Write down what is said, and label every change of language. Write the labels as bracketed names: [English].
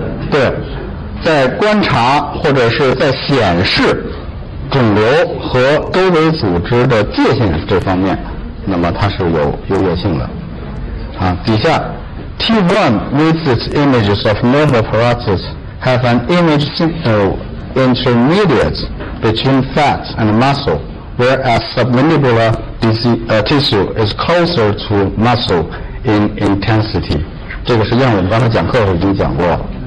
[Chinese] 对，在观察或者是在显示肿瘤和周围组织的界限这方面，那么它是有优越性的啊。底下 [English] T1 with its images of normal parotids have an image signal intermediate between fat and muscle, whereas submandibular tissue is closer to muscle in intensity。 [Chinese] 这个是样本刚才讲课的时候已经讲过了。